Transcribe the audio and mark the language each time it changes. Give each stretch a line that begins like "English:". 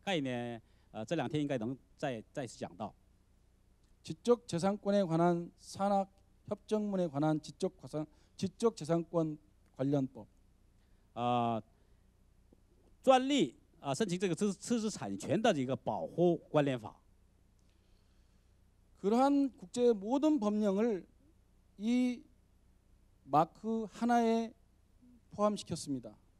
Chinese: 트리프스법，这个概念这两天应该能再讲到。
Korean: 지적 재산권에 관한 산학 협정문에 관한 지적 재산 지적 재산권 관련법.
Chinese: 专利申请这个知识产权的一个保护关联法。
Korean: 그러한 국제 모든 법령을 이 마크 하나에 포함시켰습니다.